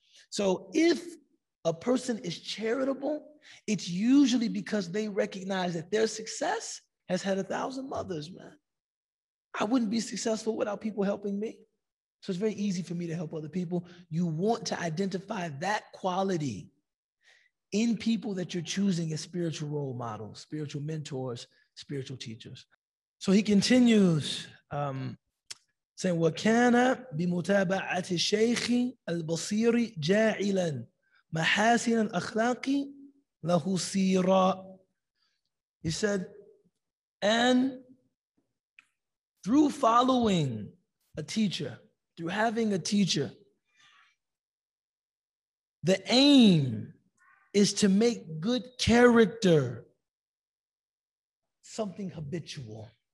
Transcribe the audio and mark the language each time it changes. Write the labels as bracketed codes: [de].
[en] So if a person is charitable, it's usually because they recognize that their success has had 1,000 mothers, man. I wouldn't be successful without people helping me. So it's very easy for me to help other people. You want to identify that quality in people that you're choosing as spiritual role models, spiritual mentors, spiritual teachers. So he continues, saying, [ar] وَكَانَ بِمُتَابَعَةِ الشَّيْخِ الْبَصِيرِ جَاعِلًا مَحَاسِنَ الْأَخْلَاقِ لَهُ سِيرًا. [en] He said, and through following a teacher, through having a teacher, the aim is to make good character something habitual.